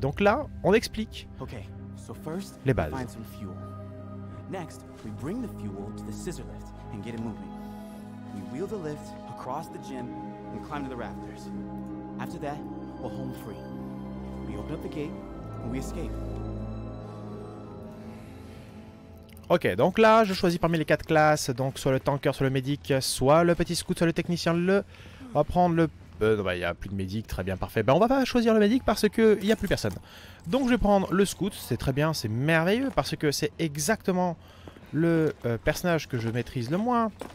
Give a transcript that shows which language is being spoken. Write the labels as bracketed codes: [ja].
[fr] Donc là, on explique les bases. [en] Next, we bring the fuel to the scissor lift and get it moving. We wheel the lift across the gym and climb to the rafters. After that, we're home free. We open up the gate and we escape. [fr] Ok, donc là, je choisis parmi les 4 classes, donc soit le tanker, soit le médic, soit le petit scout, soit le technicien, le On va prendre le... il y a plus de médic, très bien, parfait. Ben, on va pas choisir le médic parce qu'il n'y a plus personne. Donc je vais prendre le scout, c'est très bien, c'est merveilleux parce que c'est exactement le personnage que je maîtrise le moins.